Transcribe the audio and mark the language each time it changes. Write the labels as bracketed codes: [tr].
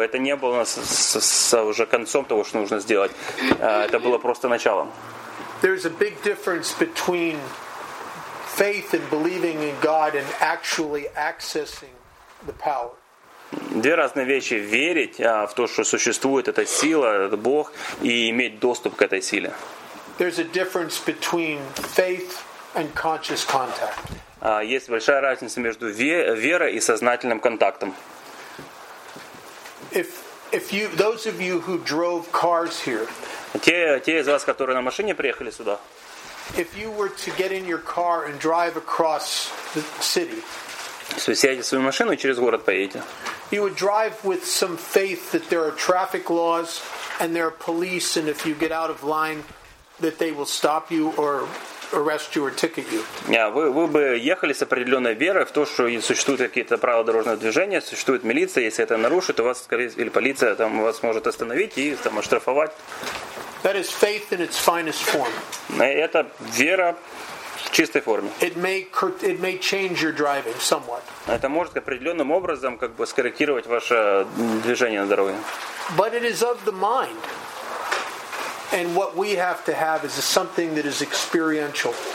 [ru] Это не было с уже концом того, что нужно сделать. Это было просто началом. [en] There's a big difference between faith and believing in God and actually accessing the power. [ru] Две разные вещи: верить в то, что существует эта сила, этот Бог, и иметь доступ к этой силе. [en] There's a difference between faith and conscious contact. [ru] Есть большая разница между верой и сознательным контактом. [en] If you, those of you who drove cars here. [ru] Те из вас, которые на машине приехали сюда. [en] If you were to get in your car and drive across the city, [ru] если вы сядете в свою машину и через город поедете, [en] you would drive with some faith that there are traffic laws and there are police, and if you get out of line, that they will stop you or arrest you or ticket you. [ru] Вы бы ехали с определенной верой в то, что существуют какие-то правила дорожного движения, существует милиция, если это нарушит, у вас скорее или полиция там вас может остановить и там оштрафовать. [en] That is faith in its finest form. [ru] Это вера в чистой форме. [en] It may change your driving somewhat. [ru] Это может определенным образом как бы скорректировать ваше движение на дороге. [en] But it is of the mind. And what we have to have is something that is experiential.